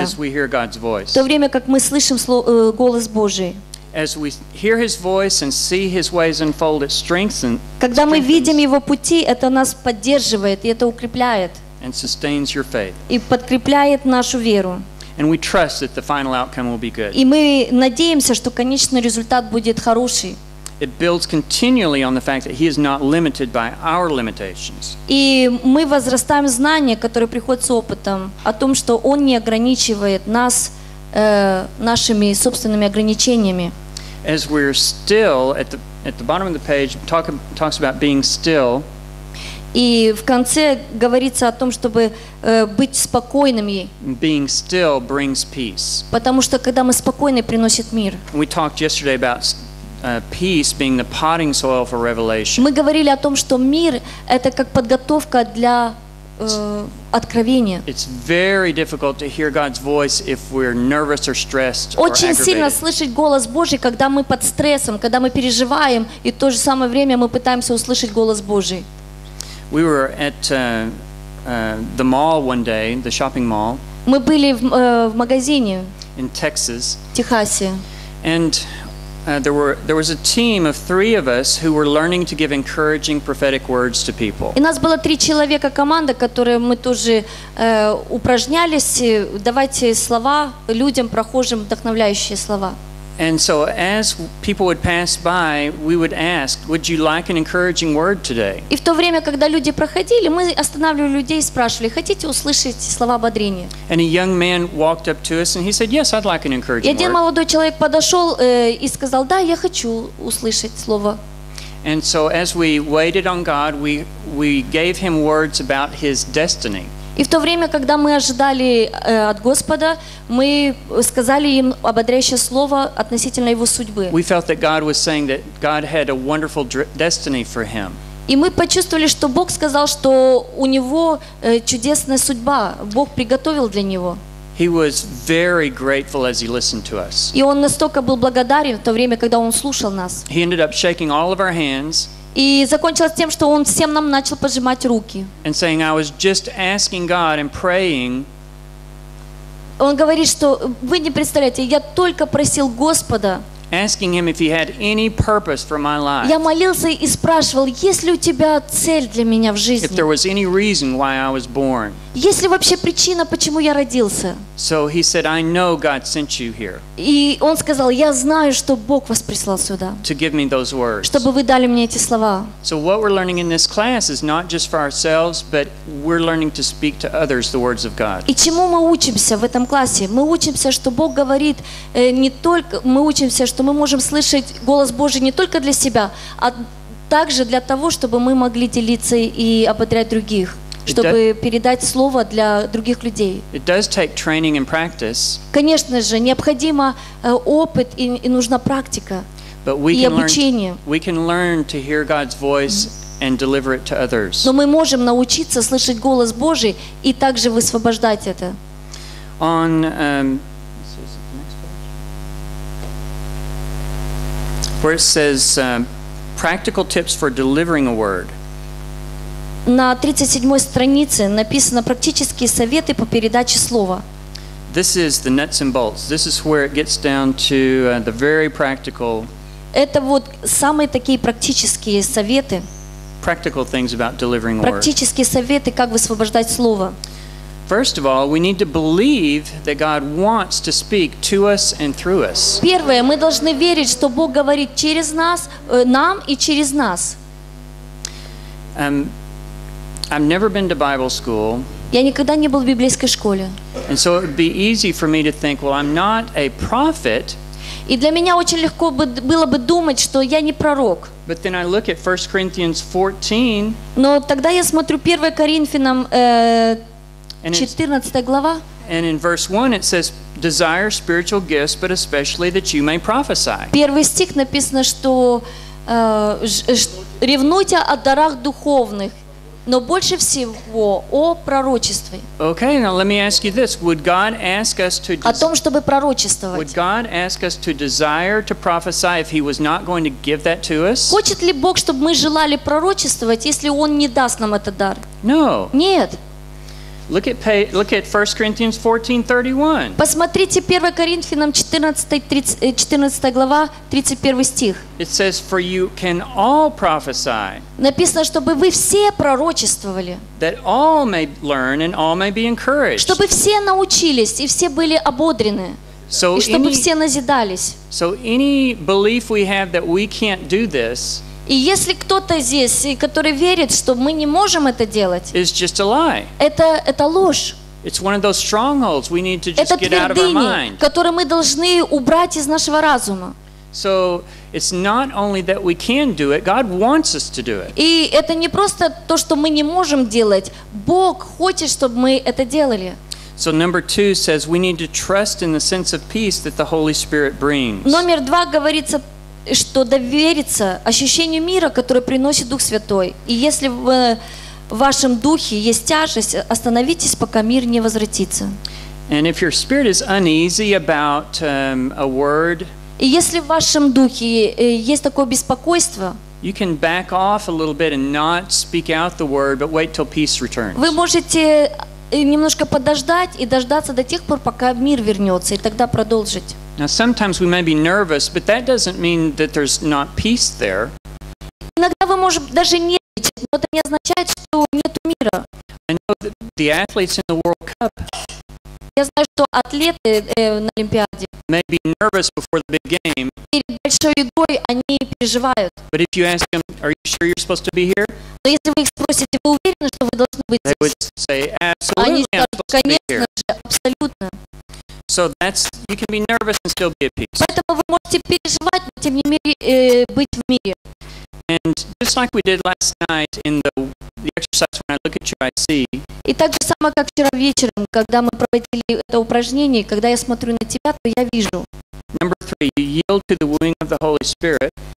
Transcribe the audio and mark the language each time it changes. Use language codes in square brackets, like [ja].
[en] As we hear God's voice. [ru] В то время как мы слышим голос Божий. [en] As we hear His voice and see His ways unfold, it strengthens. [ru] Когда мы видим Его пути, это нас поддерживает и это укрепляет. [en] And sustains your faith. [ru] И подкрепляет нашу веру. [en] And we trust that the final outcome will be good. [ru] И мы надеемся, что конечный результат будет хороший. [en] It builds continually on the fact that He is not limited by our limitations. [ru] И мы возрастаем знания, которые приходят с опытом, о том, что Он не ограничивает нас нашими собственными ограничениями. [en] As we're still at the bottom of the page talks about being still. [ru] И в конце говорится о том, чтобы быть спокойными. [en] Being still brings peace. [ru] Потому что когда мы спокойны, приносит мир. [en] We talked yesterday about peace being the potting soil for revelation. [ru] Мы говорили о том, что мир это как подготовка для откровение. [en] It's very difficult to hear God's voice if we're nervous or stressed. [ru] Очень сильно слышать голос Божий, когда мы под стрессом, когда мы переживаем, и в то же самое время мы пытаемся услышать голос Божий. [en] We were at the mall one day, the shopping mall. [ru] Мы были в магазине. [en] In Texas. [ru] В Техасе. [en] And there was a team of 3 of us who were learning to give encouraging prophetic words to people. [ru] И нас было 3 человека команда, которые мы тоже упражнялись давать слова людям, прохожим, вдохновляющие слова. [en] And so as people would pass by, we would ask, "Would you like an encouraging word today?" [ru] И в то время, когда люди проходили, мы останавливали людей и спрашивали: "Хотите услышать слова ободрения?" [en] And a young man walked up to us and he said, "Yes, I'd like an encouraging word." [ru] И один молодой человек подошёл и сказал: "Да, я хочу услышать слово." [en] And so as we waited on God, we gave him words about his destiny. [ru] И в то время, когда мы ожидали от Господа, мы сказали им ободряющее слово относительно его судьбы. [en] We felt that God was saying that God had a wonderful destiny for him. [ru] И мы почувствовали, что Бог сказал, что у него чудесная судьба, Бог приготовил для него. [en] He was very grateful as he listened to us. [ru] И он настолько был благодарен в то время, когда он слушал нас. [en] He ended up shaking all of our hands. [ru] И закончилось тем, что он всем нам начал пожимать руки. [en] And saying, I was just asking God and praying. [ru] Он говорит, что вы не представляете, я только просил Господа. [en] Asking him if he had any purpose for my life. [ru] Я молился и спрашивал, есть ли у тебя цель для меня в жизни? [en] If there was any reason why I was born. [ru] Есть ли вообще причина, почему я родился? [en] So he said, I know God sent you here. [ru] И он сказал, я знаю, что Бог вас прислал сюда. [en] To give me those words. [ru] Чтобы вы дали мне эти слова. [en] So what we're learning in this class is not just for ourselves, but we're learning to speak to others the words of God. [ru] И чему мы учимся в этом классе? Мы учимся, что Бог говорит не только, мы учимся, что мы можем слышать голос Божий не только для себя, а также для того, чтобы мы могли делиться и ободрять других. Чтобы передать слово для других людей. [en] It does take training and practice. [ru] Конечно же, необходимо опыт и нужна практика. [en] But we [ru] и [en] can [ru] обучение. [en] Learn, we can learn to hear God's voice and deliver it to others. [ru] Но мы можем научиться слышать голос Божий и также высвобождать это. [en] On where it says practical tips for delivering a word. [ru] На 37 странице написано практические советы по передаче слова. [en] This is the nuts and bolts. This is where it gets down to the very practical. [ru] Это вот самые такие практические советы. [en] Practical things about delivering word. [ru] Практические советы, как высвобождать слово. [en] First of all, we need to believe that God wants to speak to us and through us. [ru] Первое, мы должны верить, что Бог говорит через нас, нам и через нас. [en] I've never been to Bible school. [ru] Я никогда не был в библейской школе. [en] And so it would be easy for me to think, well, I'm not a prophet. [ru] И для меня очень легко было бы думать, что я не пророк. [en] But then I look at 1 Corinthians 14. [ru] Но тогда я смотрю 1 Коринфянам 14 глава. [en] And in verse 1 it says, desire spiritual gifts, but especially that you may prophesy. [ru] Первый стих написано, что ревнуйте о дарах духовных, но больше всего о пророчестве. [en] Okay, now let me ask you this. Would God ask us to [ru] о том, чтобы пророчествовать? [en] Would God ask us to desire to prophesy if he was not going to give that to us? [ru] Хочет ли Бог, чтобы мы желали пророчествовать, если он не даст нам этот дар? [en] No. [ru] Нет. [en] Look at 1 Corinthians 14:31. [ru] Посмотрите 1 Коринфянам 14 глава 31 стих. [en] It says, for you can all prophesy. [ru] Написано, чтобы вы все пророчествовали. [en] That all may learn and all may be encouraged. [ru] Чтобы все научились и все были ободрены. [en] So [ru] и чтобы все назидались. [en] So any belief we have that we can't do this. [ru] И если кто-то здесь, который верит, что мы не можем это делать, это ложь. Это твердыни, которые мы должны убрать из нашего разума. [en] So it's not only that we can do it, God wants us to do it. [ru] И это не просто то, что мы не можем делать. Бог хочет, чтобы мы это делали. [en] So number two says we need to trust in the sense of peace that the Holy Spirit brings. [ru] Номер два говорится, что довериться ощущению мира, которое приносит Дух Святой. И если в вашем духе есть тяжесть, остановитесь, пока мир не возвратится. [en] And if your spirit is uneasy about a word, [ru] и если в вашем духе есть такое беспокойство, [en] you can back off a little bit and not speak out the word, but wait till peace returns. [ru] Вы можете немножко подождать и дождаться до тех пор, пока мир вернется, и тогда продолжить. [en] Now sometimes we may be nervous, but that doesn't mean that there's not peace there. [ru] Иногда вы можете даже нервничать, но это не означает, что нет мира. [en] I know that the athletes in the World Cup. [ru] Я знаю, что атлеты на Олимпиаде. [en] May be nervous before the big game. [ru] Перед большой игрой они переживают. [en] But if you ask them, are you sure you're supposed to be here? [ru] Но если вы их спросите, вы уверены, что вы должны быть [en] they [ru] здесь? [en] They would say, absolutely. [ru] Они скажут, конечно же, абсолютно. [en] So that's you can be nervous and still be at peace. [ru] Поэтому вы можете переживать, но тем не менее быть в мире. [en] And just like we did last night in the exercise, when I look at you, I see. [ru] И так же самое, как вчера вечером, когда мы проводили это упражнение, когда я смотрю на тебя, то я вижу. [en] Number three, you yield to the wooing of the Holy Spirit.